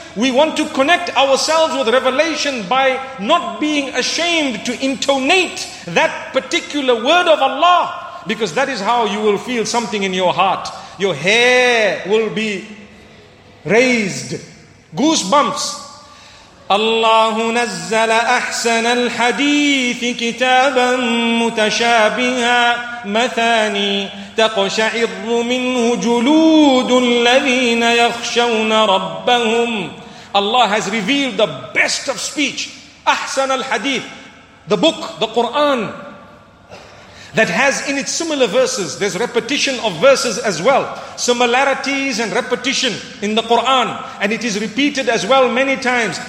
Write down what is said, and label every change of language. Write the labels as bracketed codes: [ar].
[en] We want to connect ourselves with revelation by not being ashamed to intonate that particular word of Allah. Because that is how you will feel something in your heart. Your hair will be raised. Goosebumps. [ar] الله نزل أحسن الحديث كتابا متشابها مثاني تقشعر منه جلود الذين يخشون ربهم. [en] Allah has revealed the best of speech, [ar] أحسن الحديث, [en] the book, the Quran, that has in it similar verses. There's repetition of verses as well, similarities and repetition in the Quran, and it is repeated as well many times.